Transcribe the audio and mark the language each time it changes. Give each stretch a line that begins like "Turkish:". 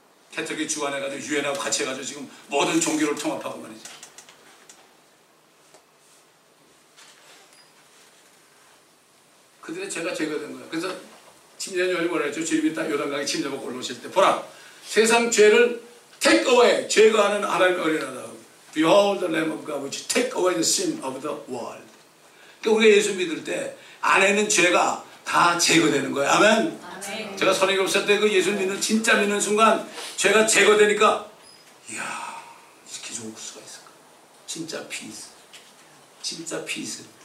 Korean: 캐톨릭이 주관해가지고 유엔하고 같이 해가지고 지금 모든 종교를 통합하고 말이죠. 그들의 죄가 죄가 된 거야. 그래서 침례는 열이 뭐라 했죠? 주님이 딱 요단강에 침례 먹고 올라오실 때 보라, 세상 죄를 Take away, 제거하는 하나님의 어린아이다.
English: Behold the Lamb of God, which take away the sin of the world.
Korean: 그러니까 우리가 예수 믿을 때 안에 있는 죄가 다 제거되는 거예요. 아멘. 아멘. 제가 선행이 없을 때 그 예수 믿는, 진짜 믿는 순간 죄가 제거되니까, 이야, 이렇게 좋을 수가 있을까. 진짜 peace. 진짜 peace.